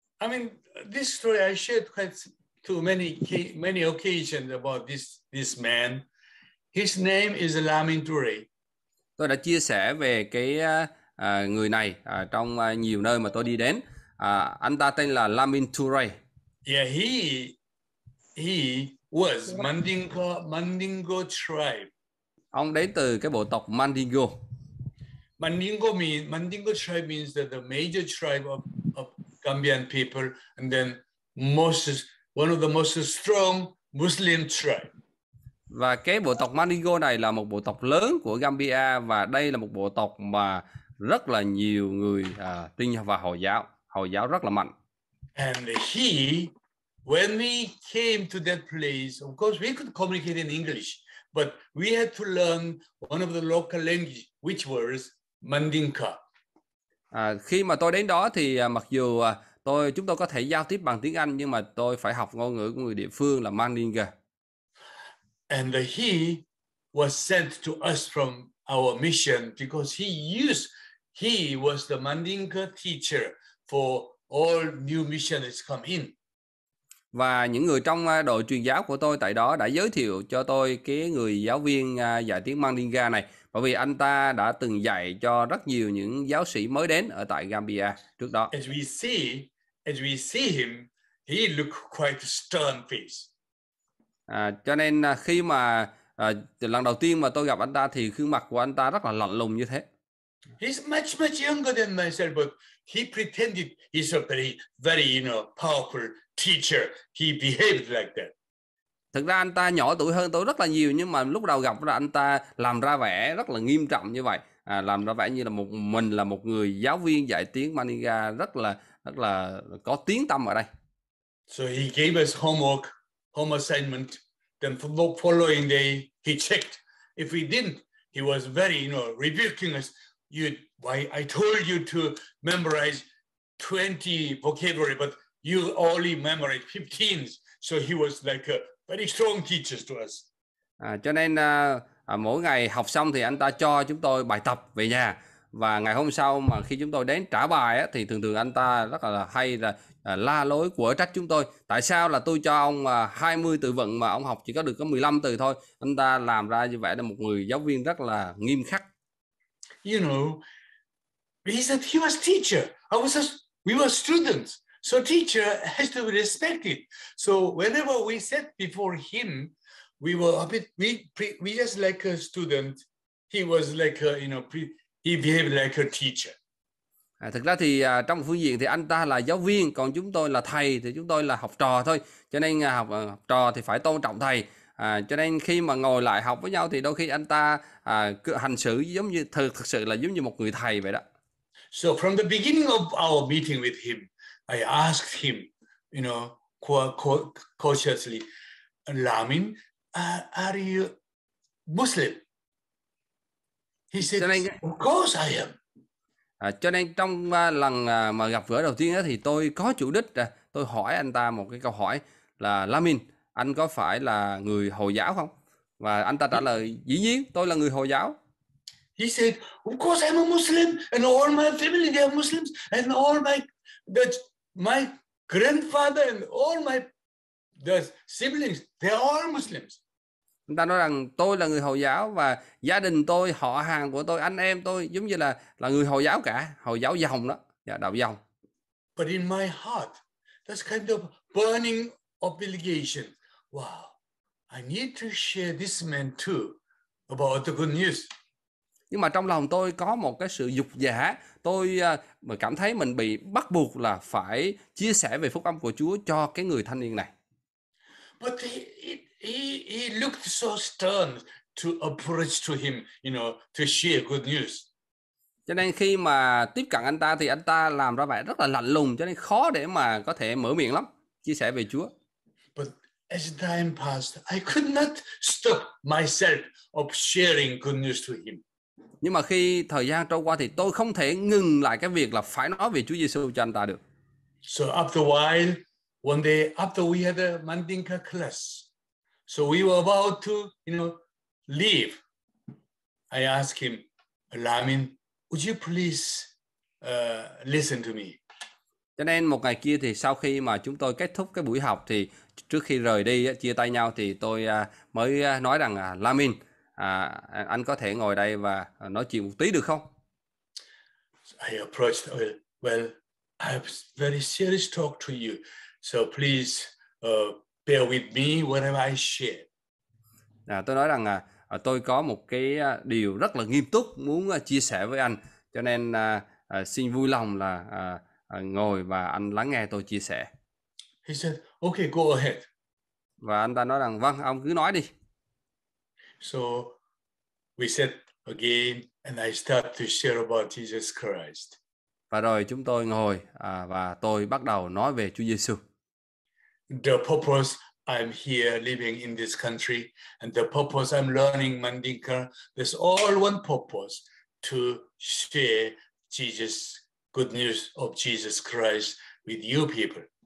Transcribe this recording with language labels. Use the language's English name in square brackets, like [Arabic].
[English] I mean, this story I shared quite too many occasions about this man. His name is Lamine Touré. [Vietnamese] Tôi đã chia sẻ về cái người này trong nhiều nơi mà tôi đi đến. Anh ta tên là Lamine Touré. [English] Yeah, he was Mandingo tribe. [Vietnamese] Ông đến từ cái bộ tộc Mandingo. [English] Mandingo tribe means that the major tribe of Gambian people, and then one of the most strong Muslim tribe. [Vietnamese] Và cái bộ tộc Mandingo này là một bộ tộc lớn của Gambia, và đây là một bộ tộc mà rất là nhiều người tin vào Hồi giáo rất là mạnh. [English] And he, when we came to that place, of course we could communicate in English, but we had to learn one of the local language, which was Mandinka. [Vietnamese] Khi mà tôi đến đó thì mặc dù chúng tôi có thể giao tiếp bằng tiếng Anh, nhưng mà tôi phải học ngôn ngữ của người địa phương là Mandinka. [English] And he was sent to us from our mission because he was the Mandinka teacher for all new missionaries come in. [Vietnamese] Và những người trong đội truyền giáo của tôi tại đó đã giới thiệu cho tôi cái người giáo viên dạy tiếng Mandinka này, bởi vì anh ta đã từng dạy cho rất nhiều những giáo sĩ mới đến ở tại Gambia trước đó. [English] As we see him, he looked quite a stern face. [Vietnamese] Cho nên khi mà lần đầu tiên mà tôi gặp anh ta thì gương mặt của anh ta rất là lạnh lùng như thế. [English] He's much much younger than myself, but he pretended he's a very very, you know, powerful teacher. He behaved like that. [Vietnamese] Thực ra anh ta nhỏ tuổi hơn tôi rất là nhiều, nhưng mà lúc đầu gặp là anh ta làm ra vẻ rất là nghiêm trọng như vậy, làm ra vẻ như là một người giáo viên dạy tiếng Mandinka rất là có tiếng tăm ở đây. [English] So he gave us home assignment, then following day he checked. If we didn't, he was very, you know, rebuking us. I told you to memorize 20 vocabulary, but you only memorize 15. So he was like a very strong teacher to us. [Vietnamese] Cho nên mỗi ngày học xong thì anh ta cho chúng tôi bài tập về nhà. Và ngày hôm sau mà khi chúng tôi đến trả bài thì thường thường anh ta rất là hay là la lối của trách chúng tôi. Tại sao là tôi cho ông 20 từ vựng mà ông học chỉ có được có 15 từ thôi. Anh ta làm ra như vậy là một người giáo viên rất là nghiêm khắc. [English] You know, he said he was teacher. We were students. So teacher has to be respected. So whenever we sat before him, we were a bit, we just like a student. He was like a, you know, he behaved like a teacher. [Vietnamese] Thực ra thì trong phương diện thì anh ta là giáo viên, còn chúng tôi là thầy, thì chúng tôi là học trò thôi. Cho nên học trò thì phải tôn trọng thầy. Cho nên khi mà ngồi lại học với nhau thì đôi khi anh ta hành xử giống như thực sự là giống như một người thầy vậy đó. [English] So from the beginning of our meeting with him, I asked him, you know, cautiously, Lamin, are you Muslim? He said, nên, of course I am. [Vietnamese] Cho nên trong lần mà gặp gỡ đầu tiên thì tôi có chủ đích, tôi hỏi anh ta một cái câu hỏi là Lamin, anh có phải là người Hồi giáo không? Và anh ta trả lời, dĩ nhiên tôi là người Hồi giáo. [English] He said, of course I'm a Muslim and all my family they are Muslims and all my my grandfather and all my the siblings they are all Muslims. [Vietnamese] Anh ta nói rằng tôi là người Hồi giáo và gia đình tôi, họ hàng của tôi, anh em tôi giống như là người Hồi giáo cả, Hồi giáo dòng đó, đạo dòng. [English] But in my heart, that's kind of burning obligation. Wow, I need to share this man too about the good news. [Vietnamese] Nhưng mà trong lòng tôi có một cái sự dục dã, tôi cảm thấy mình bị bắt buộc là phải chia sẻ về phúc âm của Chúa cho cái người thanh niên này. [English] But he looked so stern to approach to him, you know, to share good news. [Vietnamese] Cho nên khi mà tiếp cận anh ta thì anh ta làm ra vẻ rất là lạnh lùng, cho nên khó để mà có thể mở miệng lắm chia sẻ về Chúa. [English] But as time passed, I could not stop myself of sharing good news to him. [Vietnamese] Nhưng mà khi thời gian trôi qua thì tôi không thể ngừng lại cái việc là phải nói về Chúa Giêsu cho anh ta được. [English] So after a while, one day after we had a Mandinka class, so we were about to, you know, leave. I asked him, Lamin, would you please listen to me? [Vietnamese] Cho nên một ngày kia thì sau khi mà chúng tôi kết thúc cái buổi học thì trước khi rời đi chia tay nhau thì tôi mới nói rằng Lamin, anh có thể ngồi đây và nói chuyện một tí được không? [English] I approached, well, I have very serious talk to you. So please bear with me whatever I share. [Vietnamese] Tôi nói rằng tôi có một cái điều rất là nghiêm túc muốn chia sẻ với anh. Cho nên xin vui lòng là ngồi và anh lắng nghe tôi chia sẻ. [English] He said, okay, go ahead. [Vietnamese] Và anh ta nói rằng, vâng, ông cứ nói đi. [English] So we sat again and I start to share about Jesus Christ. [Vietnamese] Và rồi chúng tôi ngồi và tôi bắt đầu nói về Chúa Giêsu. [English] The purpose I'm here living in this country and the purpose I'm learning Mandinka, there's all one purpose to share Jesus, good news of Jesus Christ with you people.